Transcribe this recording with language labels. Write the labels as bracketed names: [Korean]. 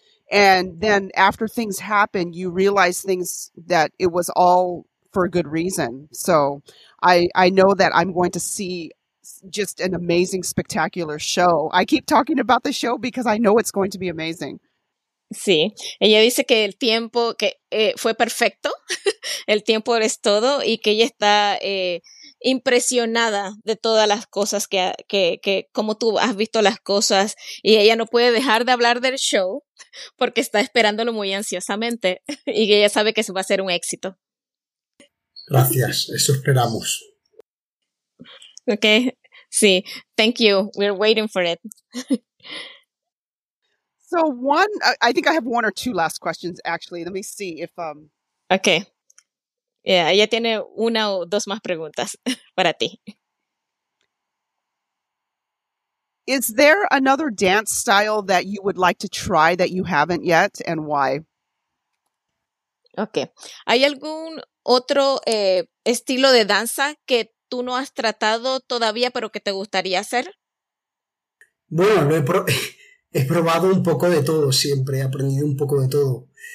[English] And then after things happen, you realize things that it was all for a good reason. So I know that I'm going to see just an amazing, spectacular show. I keep talking about the show because I know it's going to be amazing. [Spanish] Sí, ella dice que el tiempo que fue perfecto, el tiempo es todo y que ella está impresionada de todas las cosas que como tú has visto las cosas y ella no puede dejar de hablar del show porque está esperándolo muy ansiosamente y ella sabe que va a ser un éxito. Gracias, eso esperamos. [English] Okay, sí, thank you. We're waiting for it. So one, I think I have one or two last questions, actually. Let me see if... Okay. [Spanish] Yeah, ella tiene una o dos más preguntas para ti. [English] Is there another dance style that you would like to try that you haven't yet, and why? Okay. [Spanish] ¿Hay algún otro estilo de danza que tú no has tratado todavía, pero que te gustaría hacer? Bueno, lo he probado un poco de todo siempre. He aprendido un poco de todo.